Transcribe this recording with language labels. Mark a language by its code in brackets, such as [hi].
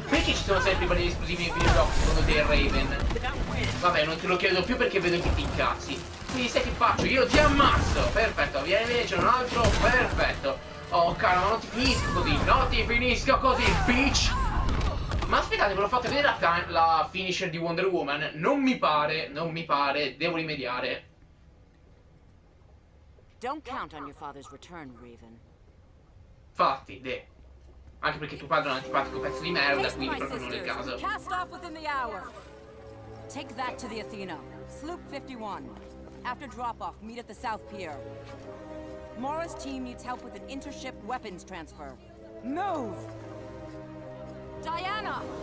[it] Perché ci sono sempre i barili esplosivi nei videogiochi secondo te, Raven? Vabbè, non te lo chiedo più perché vedo che ti incazzi. Quindi sai che faccio? Io ti ammazzo. Perfetto, vieni, vedi, c'è un altro. Perfetto. Oh cara, ma non ti finisco così. Non ti finisco così, bitch. Ma aspettate, ve l'ho fatta vedere la finisher di Wonder Woman? Non mi pare, non mi pare. Devo rimediare. [en] Don't count on your father's return, Raven. [it] Fatti, de. Anche perché tuo padre è un antipatico pezzo di merda, quindi proprio non è il caso. [en] Cast off within the hour. Take that to the Athena. Sloop 51. After drop-off, meet at the South Pier. Mora's team needs help with an intership weapons transfer. Move! Diana!